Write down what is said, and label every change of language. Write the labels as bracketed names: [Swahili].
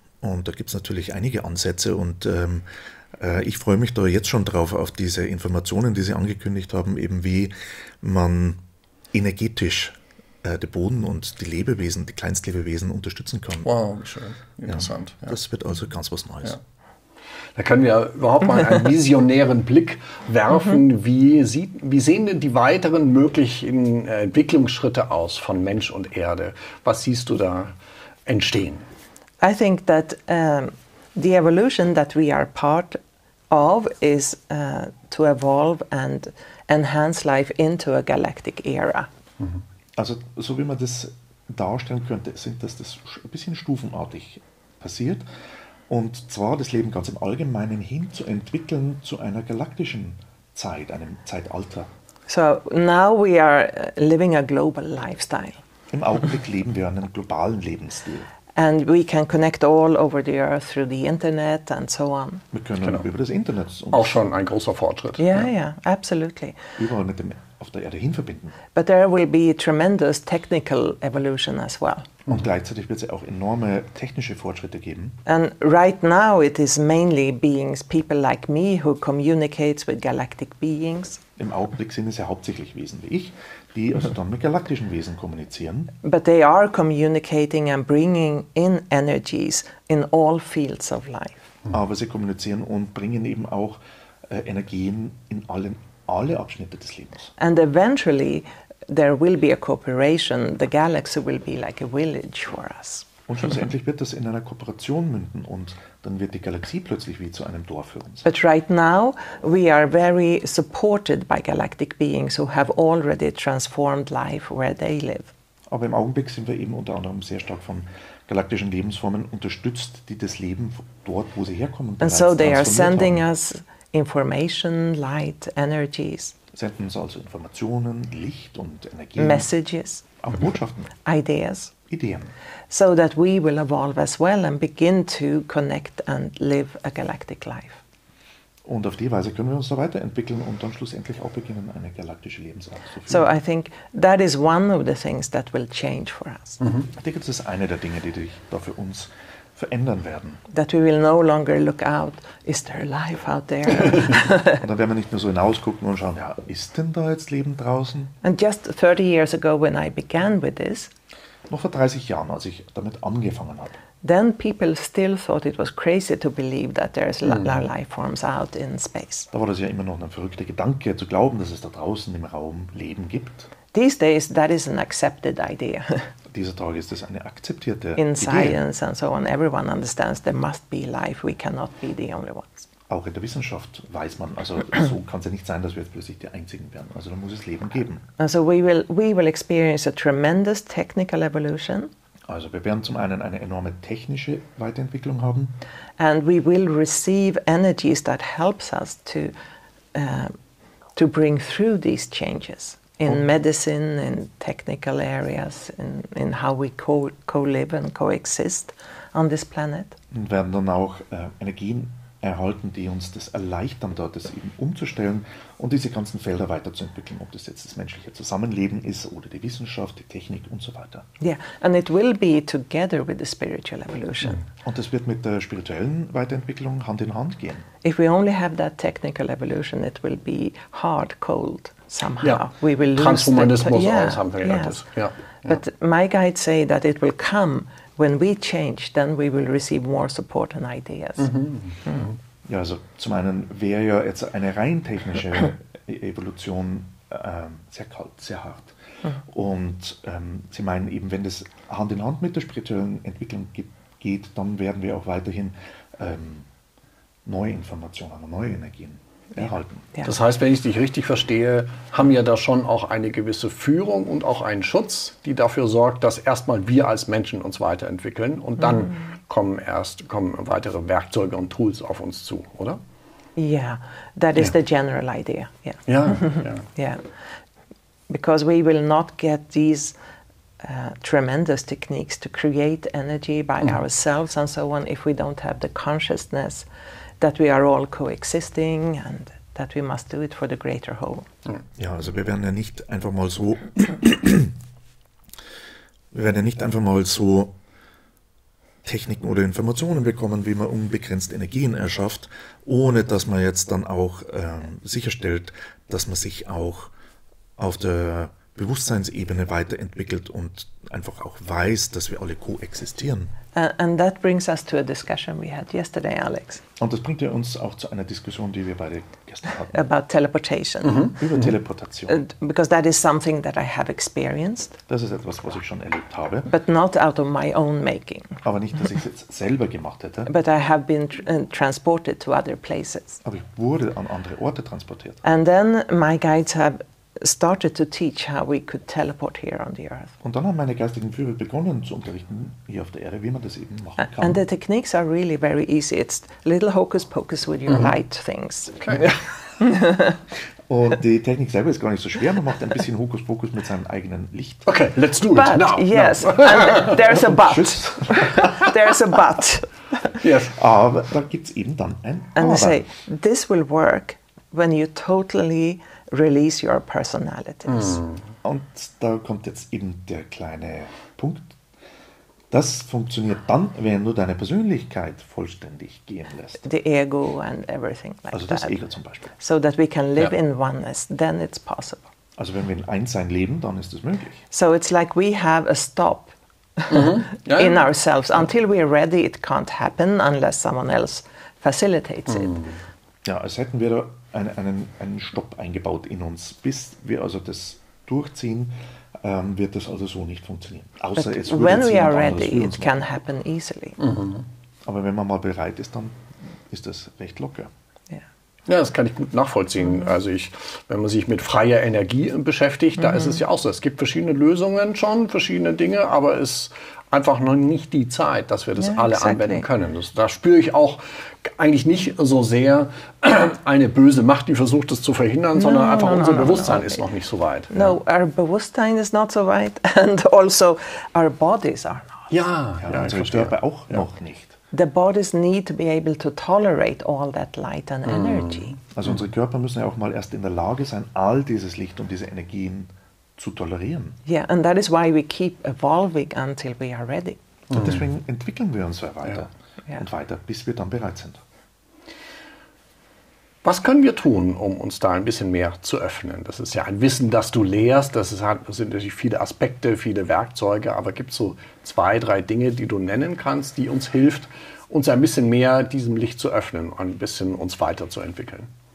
[German] Und da gibt es natürlich einige Ansätze und ich freue mich da jetzt schon drauf auf diese Informationen, die Sie angekündigt haben, eben wie man energetisch den Boden und die Lebewesen, die Kleinstlebewesen unterstützen kann. Wow, schön, interessant. Ja, das wird also ganz was Neues. Ja. Da können wir überhaupt mal einen visionären Blick werfen. Wie sehen denn die weiteren möglichen Entwicklungsschritte aus von Mensch und Erde? Was siehst du da entstehen? [English] I think that the evolution that we are part of is to evolve and enhance life into a galactic era. [German] Also so wie man das darstellen könnte, sind das ein bisschen stufenartig passiert. Und zwar das Leben ganz im Allgemeinen hin zu entwickeln zu einer galaktischen Zeit, einem Zeitalter. [English] So now we are living a global lifestyle. [German] Im Augenblick leben wir einen globalen Lebensstil. [English] And we can connect all over the earth through the internet and so on. [German] Wir können über das Internet. Auch schon ein großer Fortschritt. [English] Yeah, absolutely. [German] Überall mit dem auf der Erde hin verbinden. [English] But there will be tremendous technical evolution as well. [German] Und gleichzeitig wird es auch enorme technische Fortschritte geben. [English] And right now it is mainly beings, people like me, who communicates with galactic beings. [German] Im Augenblick sind es ja hauptsächlich Wesen wie ich, die also dann mit galaktischen Wesen kommunizieren. [English] But they are communicating and bringing in energies in all fields of life. [German] Aber sie kommunizieren und bringen eben auch Energien in alle Abschnitte des Lebens. [English] And eventually there will be a cooperation. The galaxy will be like a village for us. [German] Und schlussendlich wird das in einer Kooperation münden und dann wird die Galaxie plötzlich wie zu einem Dorf für uns. [English] But right now we are very supported by galactic beings who have already transformed life where they live. [German] Aber im Augenblick sind wir eben unter anderem sehr stark von galaktischen Lebensformen unterstützt, die das Leben dort, wo sie herkommen, bereits transformiert haben. [English] And so they are sending us information, light, energies. [German] Senden uns also Informationen, Licht und Energie. [English] Messages. [German] Auch Botschaften. [English] Ideas. [German] Ideen. [English] So that we will evolve as well and begin to connect and live a galactic life. [German] Und auf die Weise können wir uns da weiterentwickeln und dann schlussendlich auch beginnen, eine galaktische Lebensart zu führen. [English] So I think that is one of the things that will change for us. Mhm. [German] Ich denke, das ist eine der Dinge, die sich da für uns verändern werden. [English] That we will no longer look out, is there life out there? [German] Und dann werden wir nicht mehr so hinausgucken und schauen, ja, ist denn da jetzt Leben draußen? [English] And just 30 years ago when I began with this. [German] Noch vor 30 Jahren, als ich damit angefangen habe. [English] Then people still thought it was crazy to believe that there's life forms out in space. [German] Da war das ja immer noch ein verrückter Gedanke, zu glauben, dass es da draußen im Raum Leben gibt. [English] These days that is an accepted idea. [German] Dieser Tag ist das eine akzeptierte Idee. [English] In science and so on, everyone understands there must be life. We cannot be the only ones. [German] Auch in der Wissenschaft weiß man, also so kann es ja nicht sein, dass wir jetzt plötzlich die Einzigen werden. Also da muss es Leben geben. [English] And so we will experience a tremendous technical evolution. [German] Also wir werden zum einen eine enorme technische Weiterentwicklung haben. [English] And we will receive energies that helps us to bring through these changes. In medicine, in technical areas, in how we co-live and coexist on this planet. [German] Und werden dann auch Energien erhalten, die uns das erleichtern, dort das eben umzustellen und diese ganzen Felder weiterzuentwickeln, ob das jetzt das menschliche Zusammenleben ist oder die Wissenschaft, die Technik und so weiter. [English] Yeah, and it will be together with the spiritual evolution. [German] Und das wird mit der spirituellen Weiterentwicklung Hand in Hand gehen. [English] If we only have that technical evolution, it will be hard, cold. Somehow we will lose Transhumanismus or something like this. But my guides say that it will come when we change, then we will receive more support and ideas. [German] Ja, also zum einen wäre ja jetzt eine rein technische Evolution sehr kalt, sehr hart. Und sie meinen eben, wenn das Hand in Hand mit der spirituellen Entwicklung geht, dann werden wir auch weiterhin neue Informationen, neue Energien erhalten. Ja. Das heißt, wenn ich dich richtig verstehe, haben wir da schon auch eine gewisse Führung und auch einen Schutz, die dafür sorgt, dass erstmal wir als Menschen uns weiterentwickeln und dann kommen weitere Werkzeuge und Tools auf uns zu, oder? [English] Yeah, that is the general idea. Yeah. Ja, ja. Yeah. Because we will not get these tremendous techniques to create energy by ourselves and so on if we don't have the consciousness that we are all coexisting and that we must do it for the greater whole. [German] Ja, also wir werden ja nicht einfach mal so Techniken oder Informationen bekommen, wie man unbegrenzt Energien erschafft, ohne dass man jetzt dann auch sicherstellt, dass man sich auch auf der Bewusstseinsebene weiterentwickelt und einfach auch weiß, dass wir alle koexistieren. [English] And that brings us to a discussion we had yesterday, Alex. [German] Und das bringt ja uns auch zu einer Diskussion, die wir beide gestern hatten. [English] About teleportation. [German] Mhm. Über Teleportation. [English] Because that is something that I have experienced. [German] Das ist etwas, was ich schon erlebt habe. [English] But not out of my own making. [German] Aber nicht, dass ich es jetzt selber gemacht hätte. [English] But I have been transported to other places. [German] Aber ich wurde an andere Orte transportiert. [English] And then my guides have started to teach how we could teleport here on the earth. [German] Und dann haben meine geistigen Führer begonnen zu unterrichten hier auf der Erde, wie man das eben machen kann. [English] And the techniques are really very easy. It's little hocus pocus with your light things. Okay. [German] Und die Technik selber ist gar nicht so schwer. Man macht ein bisschen hocus pocus mit seinem eigenen Licht. [English] Okay, let's do but it now. Yes, and there's a but. There's a but. [German] Yes, aber da gibt's eben dann ein Aber. [English] And they say, this will work when you totally release your personalities. [German] Und da kommt jetzt eben der kleine Punkt. Das funktioniert dann, wenn du deine Persönlichkeit vollständig gehen lässt. [English] The ego and everything like also that. [German] Also das Ego zum Beispiel. [English] So that we can live in oneness, then it's possible. [German] Also wenn wir in Einssein leben, dann ist es möglich. [English] So it's like we have a stop in ourselves. Until we are ready, it can't happen unless someone else facilitates it. [German] Ja, als hätten wir da einen Stopp eingebaut in uns. Bis wir also das durchziehen, wird das also so nicht funktionieren. Außer [English] But [German] es würde [English] when we are ready, it can happen easily. [German] Aber wenn man mal bereit ist, dann ist das recht locker. Ja, das kann ich gut nachvollziehen. Also wenn man sich mit freier Energie beschäftigt, da ist es ja auch so. Es gibt verschiedene Lösungen schon, verschiedene Dinge, aber es ist einfach noch nicht die Zeit, dass wir das alle anwenden können. Da spüre ich auch eigentlich nicht so sehr eine böse Macht, die versucht, das zu verhindern, sondern einfach unser Bewusstsein ist noch nicht so weit. [English] No, our [German] Bewusstsein [English] is not [German] so weit [English] and also our bodies are not. [German] Ja, unsere Körper auch noch nicht. [English] The bodies need to be able to tolerate all that light and energy. [German] Also unsere Körper müssen ja auch mal erst in der Lage sein, all dieses Licht und diese Energien zu tolerieren. [English] Yeah, and that is why we keep evolving until we are ready. [German] Und deswegen entwickeln wir uns weiter und weiter, bis wir dann bereit sind. Was können wir tun, um uns da ein bisschen mehr zu öffnen? Das ist ja ein Wissen, das du lehrst. Das sind natürlich viele Aspekte, viele Werkzeuge. Aber gibt es so zwei, drei Dinge, die du nennen kannst, die uns hilft, uns ein bisschen mehr diesem Licht zu öffnen, ein bisschen uns weiterzuentwickeln?